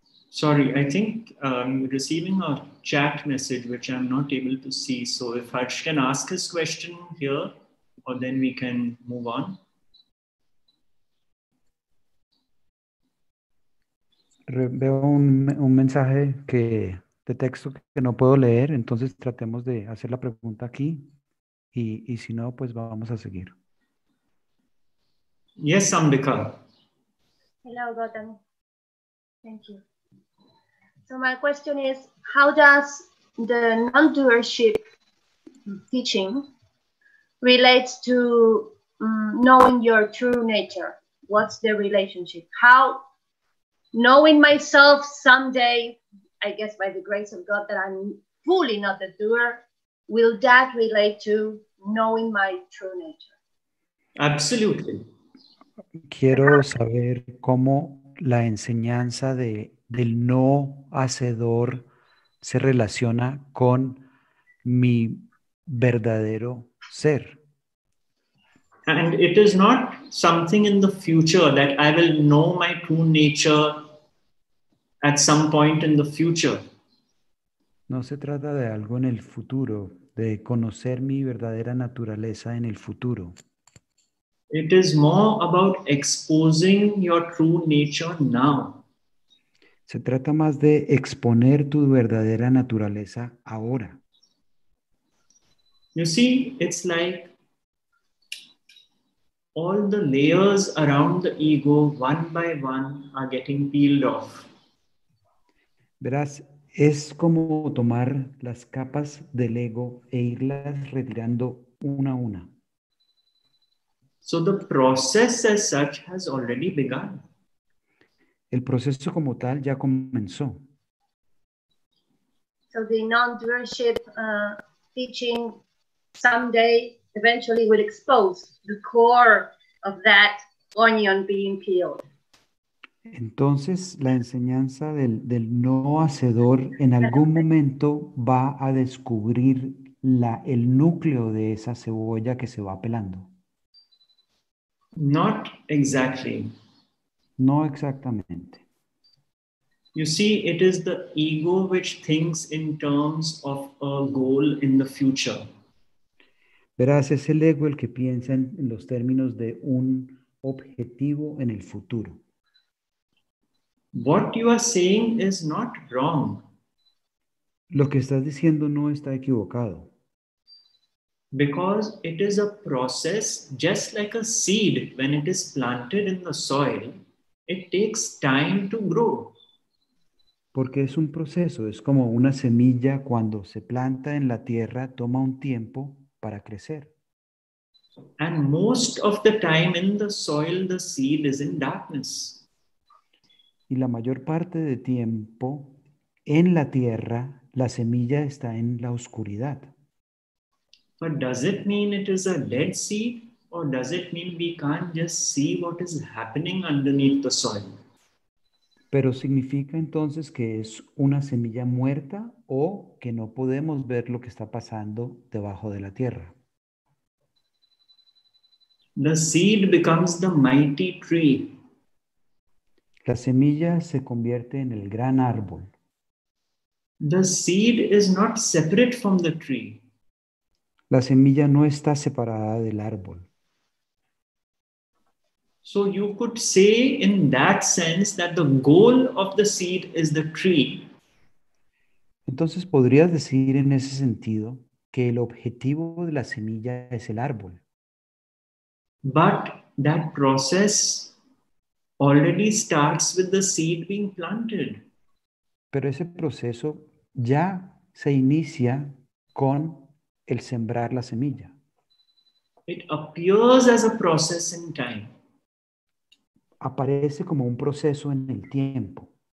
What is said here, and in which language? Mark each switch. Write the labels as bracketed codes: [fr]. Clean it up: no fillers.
[en] Sorry, I think I'm receiving a chat message which I'm not able to see. So if Harsh can ask his question here, or then we can move on. [es] Veo un mensaje que de texto que no puedo leer, entonces tratemos de hacer la pregunta aquí y si no, pues vamos a seguir. [en] Yes, Sambika. Hello, Gautam. Thank you. So my question is, how does the non-doership teaching relate to knowing your true nature? What's the relationship? How knowing myself someday, I guess by the grace of God, that I'm fully not the doer, will that relate to knowing my true nature? Absolutely. [es] Quiero saber cómo la enseñanza del no hacedor se relaciona con mi verdadero ser. [en] And it is not something in the future that I will know my true nature at some point in the future. [es] No se trata de algo en el futuro, de conocer mi verdadera naturaleza en el futuro. [en] It is more about exposing your true nature now. [es] Se trata más de exponer tu verdadera naturaleza ahora. [en] You see, it's like all the layers around the ego, one by one, are getting peeled off. [es] Verás, es como tomar las capas del ego e irlas retirando una a una. [en] So the process as such has already begun. [es] El proceso como tal ya comenzó. [en] So the non-doership teaching someday eventually will expose the core of that onion being peeled. [es] Entonces, la enseñanza del no hacedor en algún momento va a descubrir el núcleo de esa cebolla que se va pelando. [en] Not exactly. [es] No exactamente. [en] You see, it is the ego which thinks in terms of a goal in the future. [es] Verás, es el ego el que piensa en los términos de un objetivo en el futuro. [en] What you are saying is not wrong. [es] Lo que estás diciendo no está equivocado. [en] Because it is a process just like a seed when it is planted in the soil, it takes time to grow. [es] Porque es un proceso, es como una semilla cuando se planta en la tierra, toma un tiempo para crecer. [en] And most of the time in the soil, the seed is in darkness. [es] Y la mayor parte de tiempo en la tierra, la semilla está en la oscuridad. [en] But does it mean it is a dead seed? Or does it mean we can't just see what is happening underneath the soil? [es] ¿Pero significa entonces que es una semilla muerta o que no podemos ver lo que está pasando debajo de la tierra? [en] The seed becomes the mighty tree. [es] La semilla se convierte en el gran árbol. [en] The seed is not separate from the tree. [es] La semilla no está separada del árbol. [en] So you could say in that sense that the goal of the seed is the tree. [es] Entonces podrías decir en ese sentido que el objetivo de la semilla es el árbol. [en] But that process already starts with the seed being planted. [es] Pero ese proceso ya se inicia con el sembrar la semilla. [en] It appears as a process in time. [es] Aparece como un proceso en el tiempo.